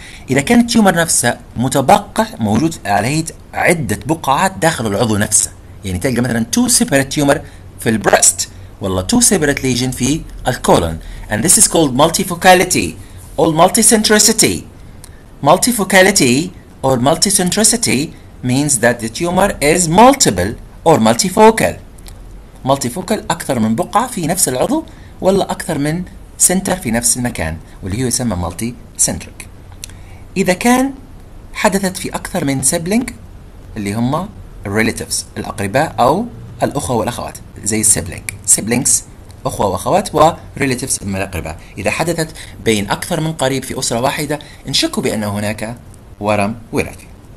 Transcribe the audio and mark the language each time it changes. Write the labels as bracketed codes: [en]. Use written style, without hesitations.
[ar] إذا كان التيومر نفسه متبقع موجود عليه عدة بقعات داخل العضو نفسه يعني تلقى مثلا [en] two separate tumor [ar] في البرست والله [en] two separate lesion [ar] في الكولون [en] and this is called multifocality or multicentricity. Multifocality or multicentricity means that the tumor is multiple or multifocal. [ar] Multifocal أكثر من بقعة في نفس العضو والله أكثر من center في نفس المكان واللي هو يسمى multicentric. إذا كان حدثت في أكثر من sibling اللي هم relatives الأقرباء أو الأخوة والأخوات زي siblings أخوة وأخوات و relatives الأقرباء إذا حدثت بين أكثر من قريب في أسرة واحدة نشكوا بأن هناك ورم وراثي.